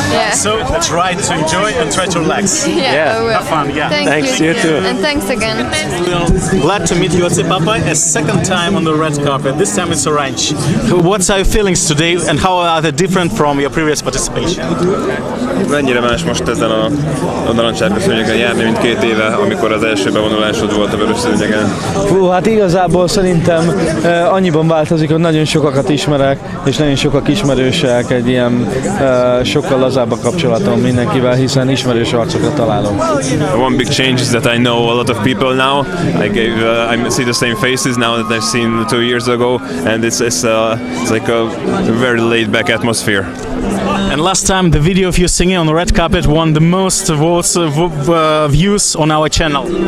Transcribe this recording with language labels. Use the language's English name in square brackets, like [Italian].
[English] Yeah. So try to enjoy and try to relax. Yeah, I will. Have fun, yeah. Thanks, you too. And thanks again. Glad to meet you, Otsi Papa, a second second time on the red carpet. This time it's orange. What are your feelings today and how are they different from your previous participation? [Hungarian] Mennyire más most ezen a narancsárga szőnyegen járni, mint két éve, amikor az első bevonulásod volt a vörös szőnyegen? Hú, hát igazából szerintem annyiban változik, hogy nagyon sokakat ismerek, és nagyon sokak ismerősek, egy ilyen sokkal lazább a kapcsolatom mindenkivel, hiszen ismerős arcokat találom. [English] One big change is that I know a lot of people now. I see the same faces now that I've seen 2 years ago, and it's like a very laid-back atmosphere. And last time, the video of you singing on the red carpet won the most views on our channel.